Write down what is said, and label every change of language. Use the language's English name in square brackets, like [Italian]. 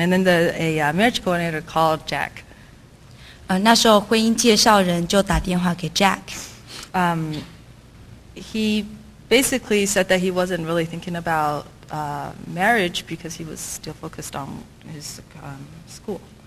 [English] And then a marriage coordinator called Jack. [Chinese] 那时候婚姻介绍人就打电话给Jack. [English] He basically said that he wasn't really thinking about marriage because he was still focused on his school.